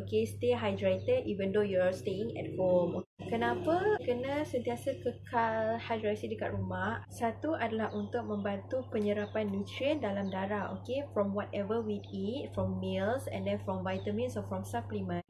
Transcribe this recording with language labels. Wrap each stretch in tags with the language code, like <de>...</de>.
<en>Okay, stay hydrated even though you're staying at home.</en> <ms>Kenapa kena sentiasa kekal hidrasi dekat rumah? Satu adalah untuk membantu penyerapan nutrien dalam darah.</ms> <en>Okay, from whatever we eat, from meals and then from vitamins or from supplement.</en>